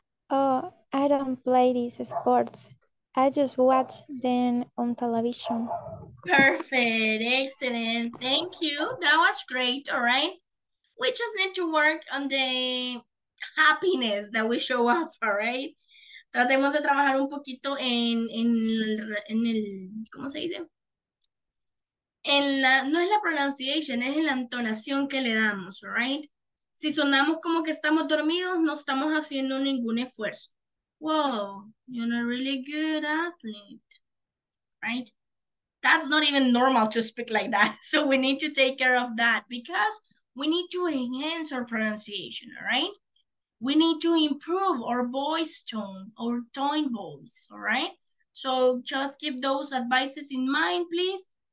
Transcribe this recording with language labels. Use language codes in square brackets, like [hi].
[en] Oh, I don't play these sports. I just watch them on television. Perfect, excellent. Thank you. That was great, all right? We just need to work on the happiness that we show up for, right? [es] Tratemos de trabajar un poquito en el, ¿cómo se dice? En la, no es la pronunciation, es en la entonación que le damos, right? Si sonamos como que estamos dormidos, no estamos haciendo ningún esfuerzo. [en] Whoa, you're a really good athlete, right? That's not even normal to speak like that. So we need to take care of that because we need to enhance our pronunciation, all right? We need to improve our voice tone, our tone voice, all right? So just keep those advices in mind, please.